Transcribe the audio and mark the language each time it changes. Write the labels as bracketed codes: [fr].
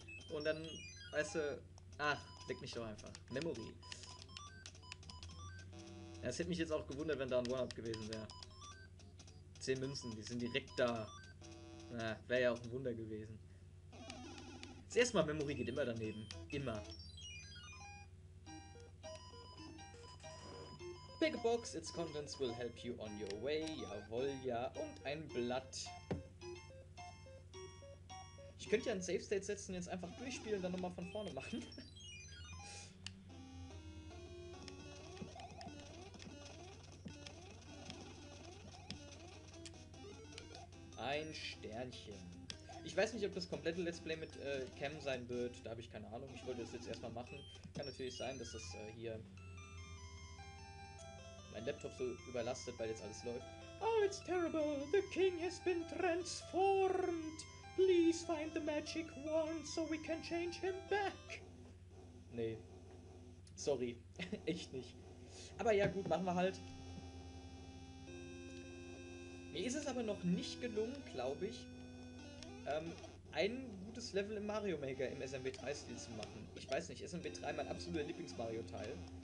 [de] Und dann, weißt du, ach, leck mich doch einfach. Memory. Das hätte mich jetzt auch gewundert, wenn da ein One-Up gewesen wäre. 10 Münzen, die sind direkt da. Na, wäre ja auch ein Wunder gewesen. Das erste Mal Memory geht immer daneben. Immer. [en] Pick a box, its contents will help you on your way. [de] Jawohl, ja. Und ein Blatt. Ich könnte ja ein Safe State setzen, jetzt einfach durchspielen und dann nochmal von vorne machen. Ein Sternchen. Ich weiß nicht, ob das komplette Let's Play mit Cam sein wird. Da habe ich keine Ahnung. Ich wollte das jetzt erstmal machen. Kann natürlich sein, dass das hier mein Laptop so überlastet, weil jetzt alles läuft. [en] Oh, it's terrible. The king has been transformed. Please find the magic wand so we can change him back. [de] Nee. Sorry. Echt nicht. Aber ja, gut, machen wir halt. Mir ist es aber noch nicht gelungen, glaube ich, ein gutes Level im Mario Maker im SMB3-Stil zu machen. Ich weiß nicht, SMB3 mein absoluter Lieblings-Mario-Teil.